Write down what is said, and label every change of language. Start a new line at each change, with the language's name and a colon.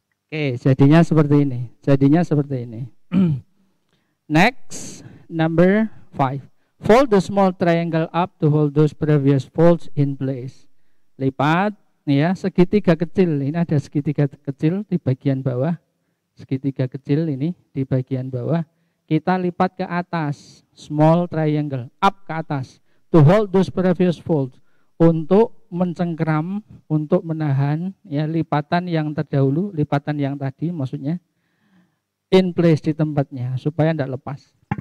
Indonesian: Oke, jadinya seperti ini. Jadinya seperti ini.
English: Next, number five. Fold the small triangle up to hold those previous folds in place.
Indonesian: Lipat, ya, segitiga kecil. Ini ada segitiga kecil di bagian bawah. Segitiga kecil ini di bagian bawah. Kita lipat ke atas.
English: Small triangle up
Indonesian: ke atas.
English: To hold those previous folds.
Indonesian: Untuk mencengkram, untuk menahan ya lipatan yang terdahulu, lipatan yang tadi maksudnya,
English: in place
Indonesian: di tempatnya supaya tidak lepas.